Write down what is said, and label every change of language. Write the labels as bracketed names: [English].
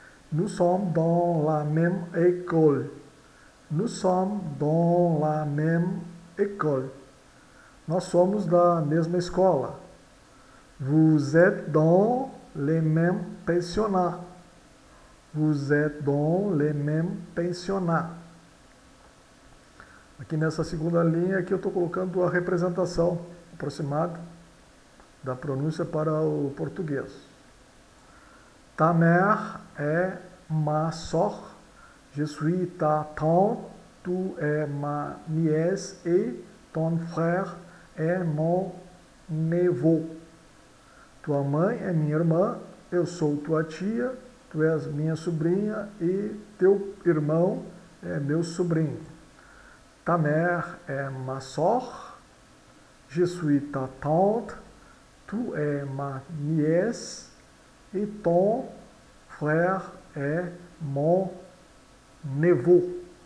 [French] Nous sommes dans la même école. Nous sommes dans la même école. [Portuguese] Nós somos da mesma escola. [French] Vous êtes dans le même pensionnat. Vous êtes dans le même pensionnat. [Portuguese] Aqui nessa segunda linha aqui eu estou colocando a representação aproximada da pronúncia para o português. [French] Ta mère est ma soeur, je suis ta tante, tu es ma nièce et ton frère est mon neveu. [Portuguese] Tua mãe é minha irmã, eu sou tua tia, tu és minha sobrinha e teu irmão é meu sobrinho. [French] Ta mère est ma soeur, je suis ta tante, tu es ma nièce et ton frère est mon neveu.